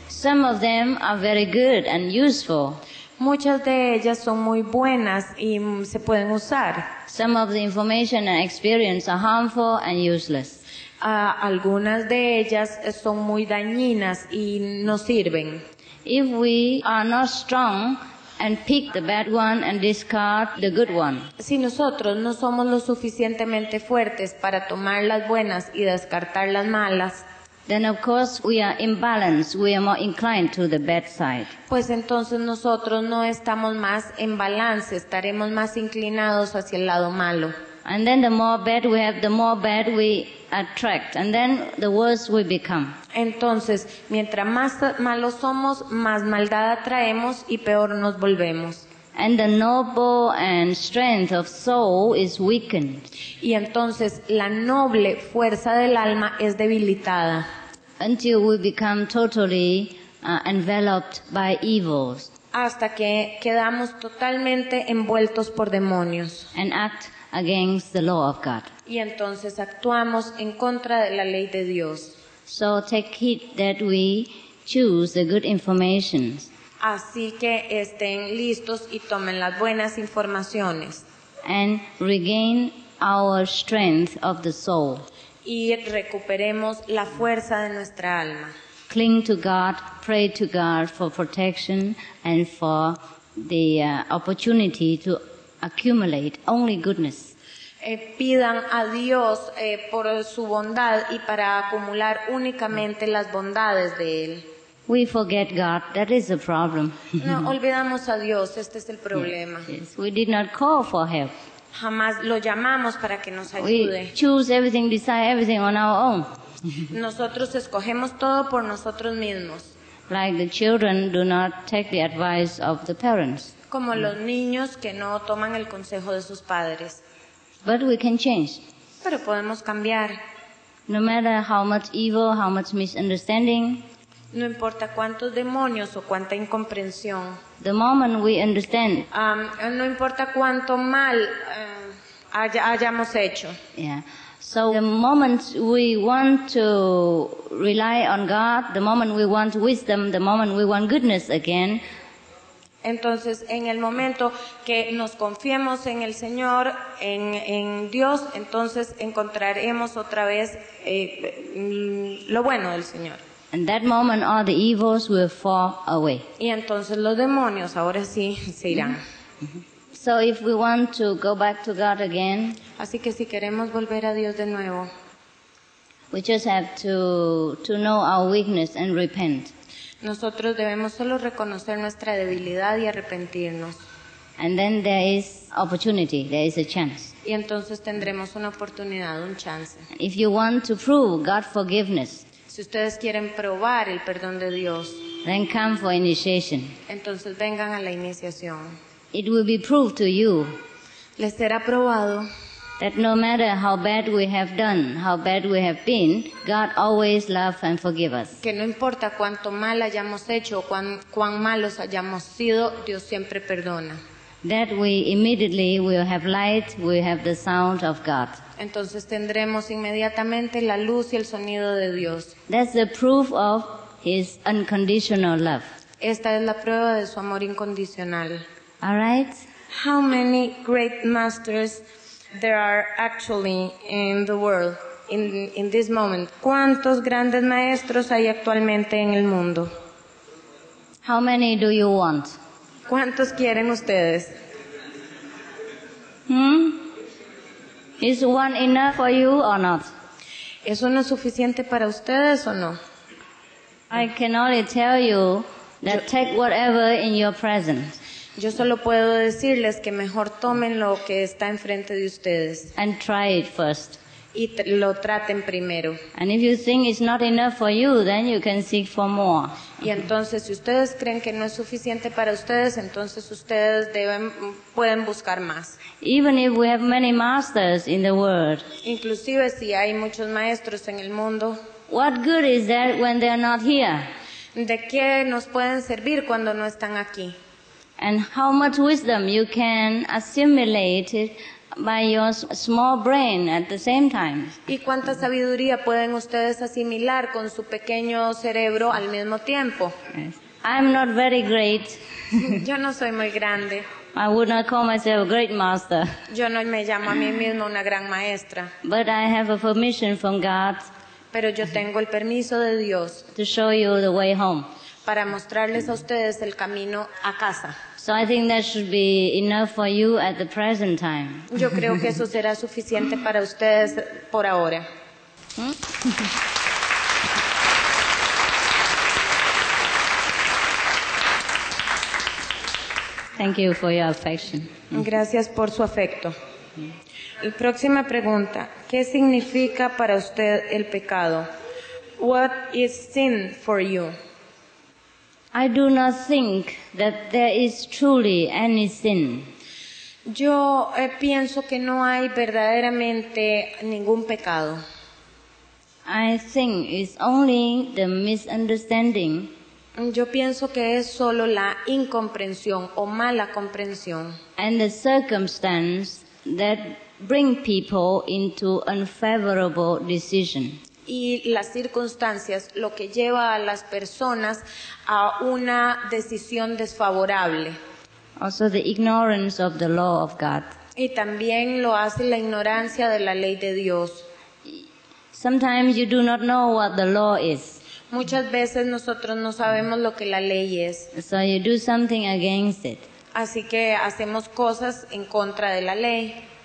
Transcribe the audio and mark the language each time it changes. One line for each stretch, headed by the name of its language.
English: Some of them are very good and useful.
Spanish: Muchas de ellas son muy buenas y se pueden usar.
English: Some of the information and experience are harmful and useless.
Spanish: Algunas de ellas son muy dañinas y no sirven.
English: If we are not strong and pick the bad one and discard the good one.
Spanish: Si nosotros no somos lo suficientemente fuertes para tomar las buenas y descartar las malas,
English: then of course we are imbalanced, we are more inclined to the bad side.
Spanish: Pues entonces nosotros no estamos más en balance, estaremos más inclinados hacia el lado malo.
English: And then the more bad we have, the more bad we attract, and then the worse we become.
Spanish: Entonces, mientras más malos somos, más maldad atraemos y peor nos volvemos.
English: And the noble and strength of soul is weakened.
Spanish: Y entonces la noble fuerza del alma es debilitada.
English: Until we become totally enveloped by evils.
Spanish: Hasta que quedamos totalmente envueltos por demonios.
English: And act against the law of God.
Spanish: Y entonces actuamos en contra de la ley de Dios.
English: So take heed that we choose the good information.
Spanish: Así que estén listos y tomen las buenas informaciones.
English: And regain our strength of the soul.
Spanish: Y recuperemos la fuerza de nuestra alma.
English: Cling to God, pray to God for protection and for the opportunity to accumulate only goodness.
Spanish: Pidan a Dios por su bondad y para acumular únicamente las bondades de Él.
English: We forget God. That is the problem.
Spanish: No, olvidamos a Dios. Este es el problema.
English: Yes, yes. We did not call for help.
Spanish: Jamás lo llamamos para que nos ayude.
English: We choose everything, decide everything on our own.
Spanish: Nosotros escogemos todo por nosotros mismos.
English: Like the children do not take the advice of the parents.
Spanish: Como los niños que no toman el consejo de sus padres.
English: But we can change.
Spanish: Pero podemos cambiar.
English: No matter how much evil, how much misunderstanding.
Spanish: No importa cuántos demonios o cuánta incomprensión.
English: The moment we understand.
Spanish: No importa cuánto mal hayamos hecho.
English: Yeah. So the moment we want to rely on God, the moment we want wisdom, the moment we want goodness again.
Spanish: Entonces, en el momento que nos confiemos en el Señor, en Dios, entonces encontraremos otra vez lo bueno del Señor.
English: And that moment all the evils will fall away.
Spanish: Y entonces los demonios ahora sí se irán. Mm-hmm.
English: So if we want to go back to God again,
Spanish: así que si queremos volver a Dios de nuevo,
English: we just have to know our weakness and repent.
Spanish: Nosotros debemos solo reconocer nuestra debilidad y arrepentirnos.
English: And then there is opportunity, there is a chance.
Spanish: Y entonces tendremos una oportunidad, un chance.
English: If you want to prove God's forgiveness,
Spanish: si ustedes quieren probar el perdón de Dios,
English: then come for initiation.
Spanish: Entonces vengan a la iniciación.
English: It will be proved to you.
Spanish: Les será probado.
English: That no matter how bad we have done, how bad we have been, God always loves and forgives us.
Spanish: Que no importa cuánto mal hayamos hecho o cuán malos hayamos sido, Dios siempre perdona.
English: That we immediately will have light, we have the sound of God.
Spanish: Entonces tendremos inmediatamente la luz y el sonido de Dios.
English: That's the proof of His unconditional love.
Spanish: Esta es la prueba de su amor incondicional.
English: All right. How many great masters there are actually in the world in this moment?
Spanish: ¿Cuántos grandes maestros hay actualmente en el mundo?
English: How many do you want?
Spanish: ¿Cuántos quieren ustedes?
English: Is one enough for you or not?
Spanish: ¿Es uno suficiente para ustedes o no?
English: I can only tell you that take whatever in your presence.
Spanish: Yo solo puedo decirles que mejor tomen lo que está enfrente de ustedes.
English: And try it first.
Spanish: Y lo traten primero.
English: And if you think it's not enough for you, then you can seek for more.
Spanish: Y entonces, si ustedes creen que no es suficiente para ustedes, entonces ustedes pueden buscar más.
English: Even if we have many masters in the world.
Spanish: Inclusive si hay muchos maestros en el mundo.
English: What good is that when they're not here?
Spanish: ¿De qué nos pueden servir cuando no están aquí?
English: And how much wisdom you can assimilate it by your small brain at the same time.
Spanish: ¿Y cuánta sabiduría pueden ustedes asimilar con su pequeño cerebro al mismo tiempo?
English: Yes. I'm not very great.
Spanish: Yo no soy muy grande.
English: I would not call myself a great master.
Spanish: Yo no me llamo a mí misma una gran maestra.
English: But I have a permission from God.
Spanish: Pero yo tengo el permiso de Dios.
English: To show you the way home.
Spanish: Para mostrarles a ustedes el camino a casa.
English: So I think that should be enough for you at the present time.
Spanish: Yo creo que eso será suficiente para ustedes por ahora.
English: Thank you for your affection.
Spanish: Gracias por su afecto. La próxima pregunta, ¿qué significa para usted el pecado?
English: What is sin for you? I do not think that there is truly any sin.
Spanish: Yo pienso que no hay verdaderamente ningún pecado.
English: I think it's only the misunderstanding.
Spanish: Yo pienso que es solo la incomprensión o mala comprensión.
English: And the circumstance that bring people into unfavorable decision.
Spanish: Y las circunstancias, lo que lleva a las personas a una decisión desfavorable.
English: Also the ignorance of the law of God.
Spanish: Y también lo hace la ignorancia de la ley de Dios.
English: Sometimes you do not know what the law is.
Spanish: Muchas veces nosotros no sabemos lo que la ley es.
English: So you do something against it.
Spanish: Así que hacemos cosas en contra de la ley.